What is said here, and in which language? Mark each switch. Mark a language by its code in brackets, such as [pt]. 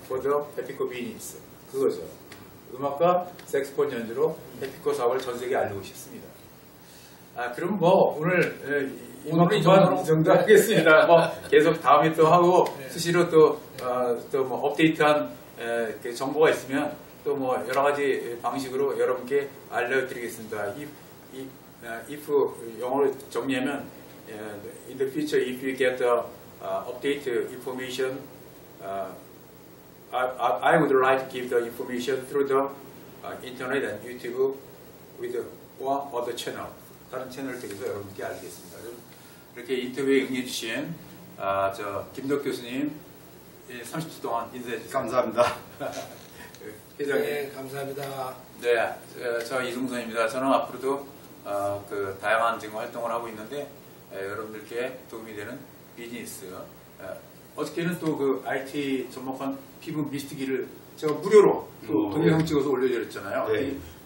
[en] for the Pepico business [ko] 그거죠. 음악과 색소폰 연주로 Pepico 사업을 전 세계에 알리고 싶습니다. 아 그럼 뭐 오늘 이만큼만 정도 하겠습니다. 뭐 계속 다음에 또 하고 수시로 또 또 뭐 업데이트한 그 정보가 있으면 또 뭐 여러 가지 방식으로 여러분께 알려드리겠습니다. [en] If [ko] 영어로 정리하면 [en] in the future if you get the update information, I would like to give the information through the internet and YouTube with one other channel. [ko] 다른 채널을 통해서 여러분께 알겠습니다. 이렇게 인터뷰에 응해 주신 저 김덕 교수님 30초 동안 인사해 주셔서 감사합니다. 회장님 네, 감사합니다. 네, 저 이승선입니다. 저는 앞으로도 그 다양한 지금 활동을 하고 있는데 여러분들께 도움이 되는 비즈니스 어저께는 또 그 IT 접목한 피부 미스트기를 제가 무료로 동영상 찍어서 올려드렸잖아요. 네.